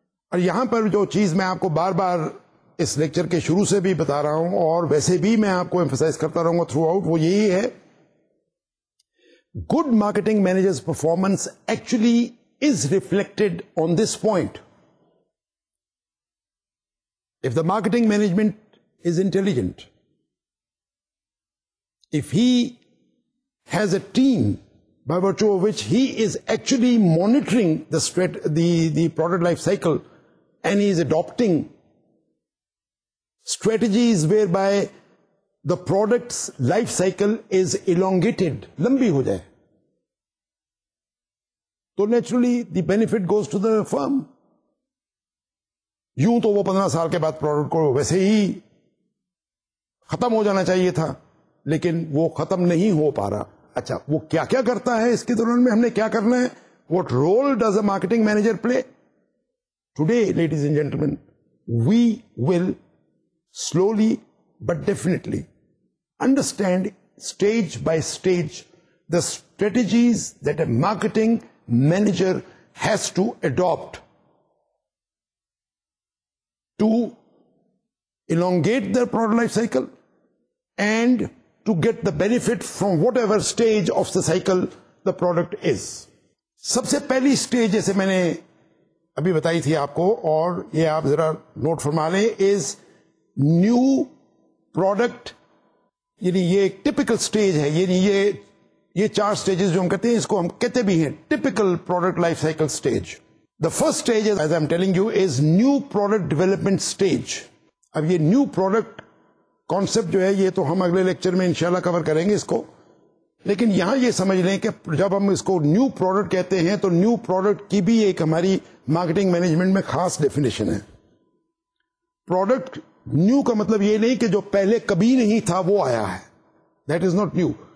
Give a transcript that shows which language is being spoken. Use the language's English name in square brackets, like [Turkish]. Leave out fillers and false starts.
[Urdu] اور یہاں پر جو چیز میں آپ کو بار بار اس لیکچر کے شروع سے بھی بتا رہا ہوں اور ویسے بھی میں آپ کو ایمفسائز کرتا رہوں گا تھرو آؤٹ, وہ یہی ہے, [English] Good marketing managers performance actually is reflected on this point. If the marketing management is intelligent, if he has a team by virtue of which he is actually monitoring the product life cycle and he is adopting strategies whereby the product's life cycle is elongated, [Urdu] lambi ho jaye, [English] to naturally the benefit goes to the firm. [Urdu] یوں تو وہ 15 سال کے بعد product کو ویسے ہی ختم ہو جانا چاہیے تھا, لیکن وہ ختم نہیں ہو پا رہا. اچھا, وہ کیا کیا کرتا ہے اس کے دوران میں, ہم نے کیا کرنا ہے, [English] What role does a marketing manager play today? Ladies and gentleman, we will slowly but definitely understand stage by stage the strategies that a marketing manager has to adapt to elongate their product life cycle and to get the benefit from whatever stage of the cycle the product is. [Urdu] سب سے پہلی stage جیسے میں نے ابھی بتائی تھی آپ کو اور یہ آپ ذرا نوٹ فرما لیں, [English] Is new product. [Urdu] یعنی یہ ایک ٹپیکل اسٹیج ہے, یعنی یہ چار اسٹیجز جو ہم کہتے ہیں, اس کو ہم کہتے بھی ہیں typical product life cycle stage. [English] The first stage, as I'm telling you, is new product development stage. [Urdu] اب یہ new product concept جو ہے یہ تو ہم اگلے لیکچر میں انشاءاللہ کور کریں گے اس کو, لیکن یہاں یہ سمجھ لیں کہ جب ہم اس کو نیو پروڈکٹ کہتے ہیں تو نیو پروڈکٹ کی بھی ایک ہماری مارکیٹنگ مینجمنٹ میں خاص ڈیفینیشن ہے. پروڈکٹ نیو کا مطلب یہ نہیں کہ جو پہلے کبھی نہیں تھا وہ آیا ہے, [English] That is not new.